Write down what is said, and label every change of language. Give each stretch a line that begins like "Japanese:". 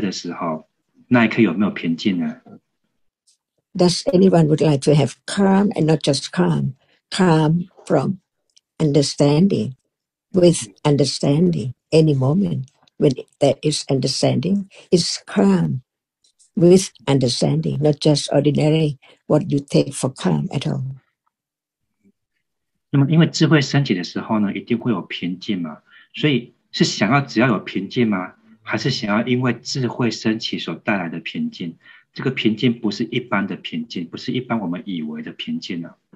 Chinese: 那么在了解升起的那一刻的时候，那一刻有没有平静呢？
English: Does anyone would like to have calm and not just calm, calm from understanding, with understanding, any moment when there is understanding, is calm with understanding, not just ordinary, what you take for calm at all.
Chinese: 那么因为智慧升起的时候呢，一定会有平静嘛？所以是想要只要有平静吗？还是想要因为智慧升起所带来的平静？这个平静不是一般的平静，不是一般我们以为的平静呢。